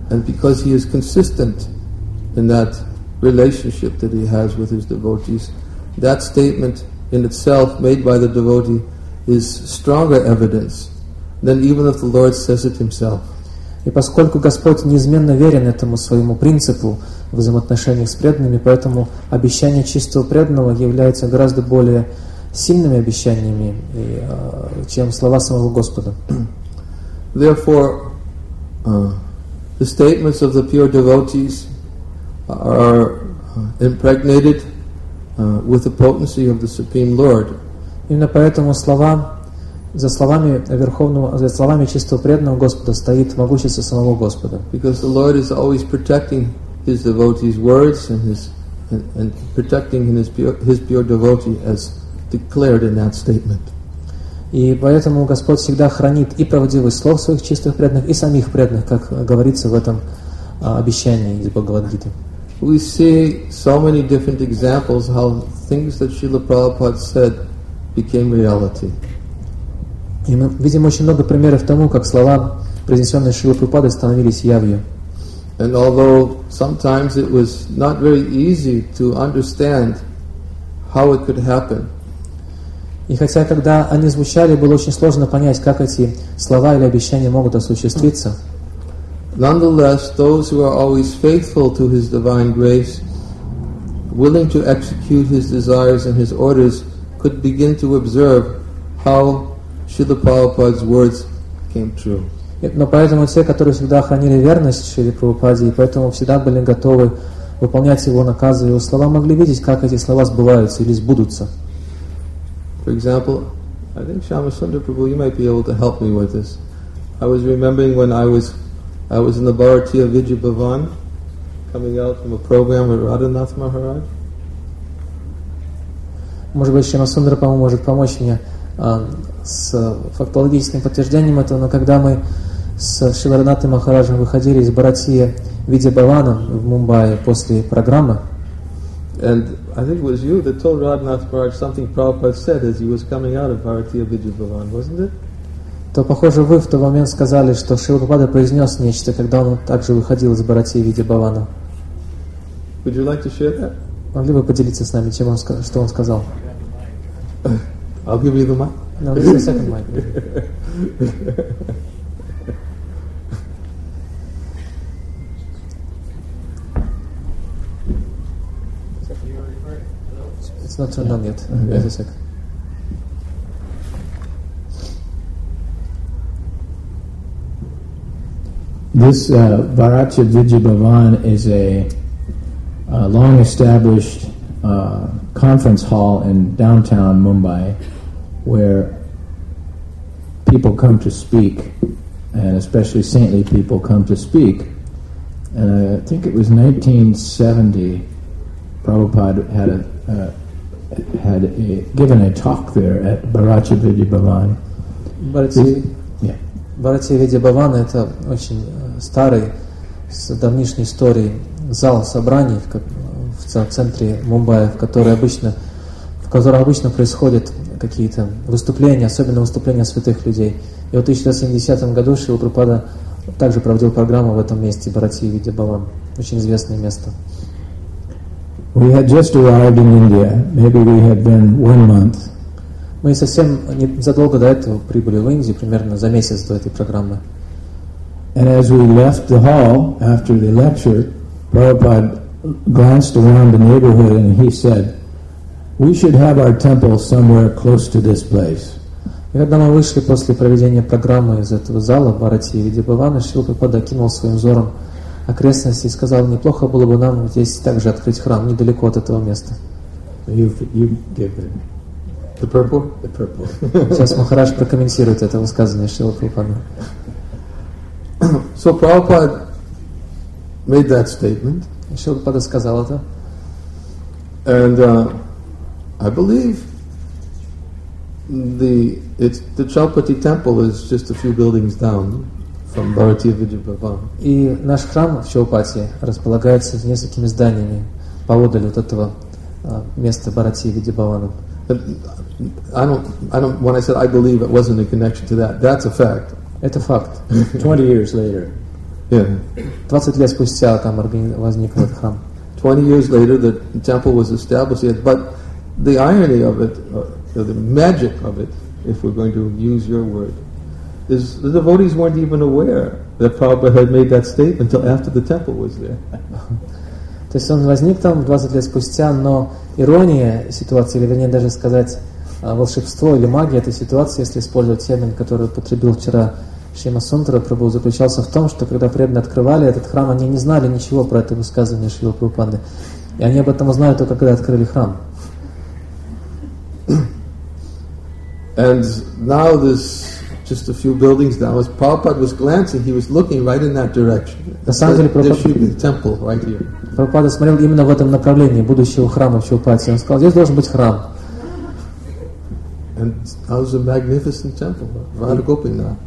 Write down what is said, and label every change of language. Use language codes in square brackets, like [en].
[en] And because He is consistent in that relationship that He has with His devotees, that statement in itself made by the devotee is stronger evidence than even if the Lord says it Himself. [ru] И поскольку Господь неизменно верен этому своему принципу в взаимоотношениях с преданными, поэтому обещания чистого преданного являются гораздо более сильными обещаниями, чем слова самого Господа. [en] Therefore, the statements of the pure devotees are impregnated with the potency of the Supreme Lord. [ru] Именно поэтому слова за словами Верховного, за словами чистого преданного Господа стоит могущество самого Господа. [en] Because the Lord is always protecting His devotees' words and protecting His pure devotee as declared in that statement. [ru] И поэтому Господь всегда хранит и правдивость слов своих чистых преданных, и самих преданных, как говорится в этом обещании из Бхагавад-гиты. [en] We see so many different examples how things that Srila Prabhupada said became reality. [ru] И мы видим очень много примеров тому, как слова, произнесенные Шрилой Прабхупадой, становились явью. [en] And although sometimes it was not very easy to understand how it could happen. [ru] И хотя, когда они звучали, было очень сложно понять, как эти слова или обещания могут осуществиться. [en] Nonetheless, those who are always faithful to His divine grace, willing to execute His desires and His orders, could begin to observe how Srila Prabhupada's words came true. [ru] Но поэтому те, которые всегда хранили верность Шриле Прабхупаде, и поэтому всегда были готовы выполнять его наказы, его слова, могли видеть, как эти слова сбываются или сбудутся. [en] For example, I think Shyama Sundara Prabhu, you might be able to help me with this. I was remembering when I was in the Bharatiya Vidya Bhavan, coming out from a program with Radhanath Maharaj. [ru] Может быть, Shyama Sundara Prabhu может помочь мне с фактологическим подтверждением этого, но когда мы с Шрилой Радханатой Махараджем выходили из Бхаратии Видья Бхавана в Мумбаи после программы, [en] and I think it was you that told Radhanath Maharaj something Prabhupada said as he was coming out of Bharatiya Vidya Bhavan, wasn't it? [ru] То похоже, вы в тот момент сказали, что Шрила Прабхупада произнес нечто, когда он также выходил из Бхаратии Видья Бхавана. [en] Would you like to share that? [ru] Могли бы поделиться с нами, чем он, что он сказал? [en] I'll give you the mic. No, this is the second mic. It's not turned on yet. Okay. Wait a second. This Bharatiya Vidya Bhavan is a long established conference hall in downtown Mumbai where people come to speak, and especially saintly people come to speak. And I think it was 1970, Prabhupada had given a talk there at Bharati Vidya Bhavan. [ru] Bharati Vidya Bhavan – это очень старый, с давнишней историей зал собраний в центре Мумбаи, в котором обычно происходят какие-то выступления, особенно выступления святых людей. И вот в 1970 году Шрила Прабхупада также проводил программу в этом месте, Bharati Vidya Bhavan, очень известное место. [en] We had just arrived in India. Maybe we had been 1 month. [ru] Мы совсем незадолго до этого прибыли в Индию, примерно за месяц до этой программы. [en] And as we left the hall after the lecture, Prabhupada glanced around the neighborhood and he said, "We should have our temple somewhere close to this place." [ru] И когда мы вышли после проведения программы из этого зала Bharati Vidya Bhavan, Шрила Прабхупада кинул своим взором окрестности и сказал, неплохо было бы нам здесь также открыть храм недалеко от этого места. [en] The purple. [ru] Сейчас Махарадж прокомментирует это высказывание Шрила Прабхупады. [en] So Prabhupada made that statement. [ru] Шрила Прабхупада сказал это. [en] And I believe the Chalpati temple is just a few buildings down from Bharati Vidya Bhavan. [ru] И наш храм в Чхалпати располагается с несколькими зданиями поодаль от этого места Bharati Vidya Bhavan. [en] I don't. When I said I believe, it wasn't a connection to that. That's a fact. [ru] Это факт. [en] 20 years later. Yeah. [ru] 20 лет спустя там возник этот храм. [en] 20 years later, the temple was established, but the irony of it, the magic of it, if we're going to use your word, is the devotees weren't even aware that Prabhupada had made that statement until after the temple was there. [ru] То есть он возник там 20 лет спустя, но ирония ситуации, или вернее даже сказать волшебство или магия этой ситуации, если использовать термин, который употребил вчера Шрима Сундара Прабху, заключался в том, что когда преданные открывали этот храм, они не знали ничего про это высказывание Шрилы Прабхупады. И они об этом узнали только когда открыли храм. [en] And now this just a few buildings down, as Prabhupada was glancing, he was looking right in that direction. [ru] Прабхупада смотрел именно в этом направлении будущего храма в Чхалпати. Он сказал, здесь должен быть храм. [en] And that was a magnificent temple, Radha Gopinath.